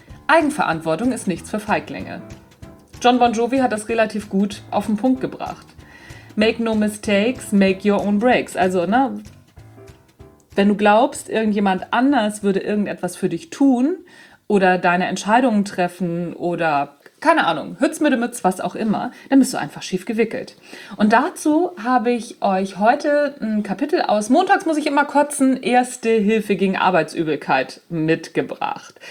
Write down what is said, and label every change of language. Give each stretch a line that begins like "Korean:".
German: Eigenverantwortung ist nichts für Feiglinge. John Bon Jovi hat das relativ gut auf den Punkt gebracht.
English: Make no mistakes, make your own breaks.
German: Also, ne, wenn du glaubst, irgendjemand anders würde irgendetwas für dich tun oder deine Entscheidungen treffen oder, keine Ahnung, Hützmüdemütz, was auch immer, dann bist du einfach schief gewickelt. Und dazu habe ich euch heute ein Kapitel aus Montags muss ich immer kotzen, Erste Hilfe gegen Arbeitsübelkeit mitgebracht.